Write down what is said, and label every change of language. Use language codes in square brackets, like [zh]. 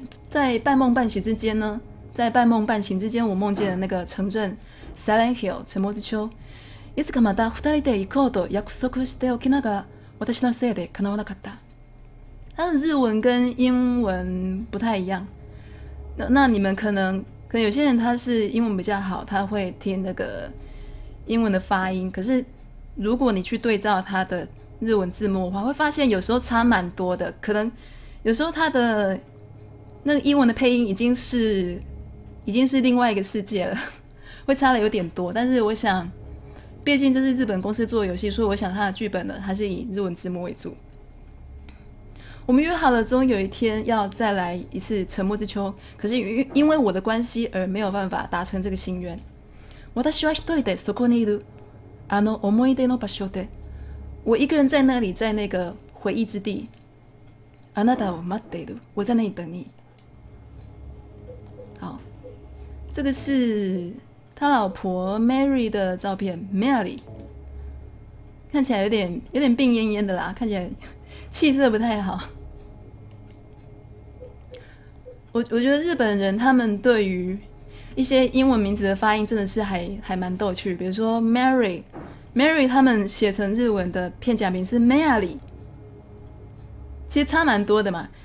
[zh] 在半梦半醒之间，我梦见了那个城镇 Silent Hill 沉默之丘。 [ja] いつかまた二人で行こうと約束しておきながら、私のせいで叶わなかった。 [zh] 它的日文跟英文不太一样。那你们可能有些人他是英文比较好，他会听那个英文的发音。可是如果你去对照他的日文字幕的话，会发现有时候差蛮多的。可能有时候他的那个英文的配音已经是另外一个世界了，会差的有点多。但是我想，毕竟这是日本公司做的游戏，所以我想他的剧本呢还是以日文字幕为主。我们约好了终于有一天要再来一次沉默之丘，可是因为我的关系而没有办法达成这个心愿。 [ja] 私は一人でそこにいる、あの思い出の場所で。 [zh] 我一个人在那里，在那个回忆之地。 [ja] あなたを待っている、 [zh] 我在那里等你。好，这个是他老婆 Mary 的照片 ，Mary 看起来有点病恹恹的啦，看起来气色不太好。我觉得日本人他们对于一些英文名字的发音真的是还蛮逗趣，比如说 Mary 他们写成日文的片假名是 Mary， 其实差蛮多的嘛。